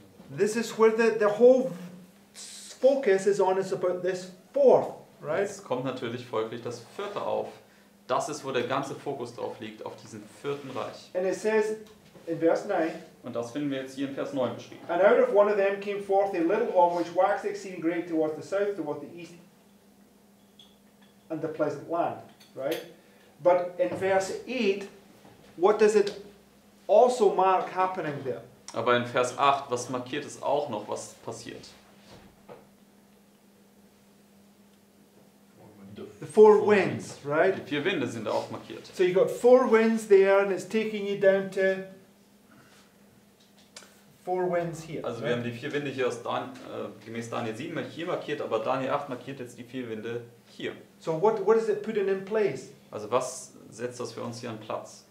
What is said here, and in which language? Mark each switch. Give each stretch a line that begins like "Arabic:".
English: This is where the whole focus is on, it's about this fourth, right?
German: Jetzt kommt natürlich folglich das vierte auf. Das ist, wo der ganze Fokus drauf liegt, auf diesen vierten Reich.
English: And it says in verse 9.
German: Und das finden wir jetzt hier in Vers 9 beschrieben.
English: And out of one of them came forth a little horn, which waxed exceeding great towards the south, towards the east, and the pleasant land, right? But in verse 8, what does it also mark happening there?
German: Aber in Vers 8, was markiert es auch noch, was passiert?
English: The four winds, right?
German: Die vier Winde sind da auch markiert.
English: So you got four winds there and it's taking you down to four winds here.
German: Also wir haben die vier Winde hier aus gemäß Daniel 7 hier markiert, aber Daniel 8 markiert jetzt die vier Winde hier.
English: So what is it putting in place?
German: Also was setzt das für uns hier an Platz?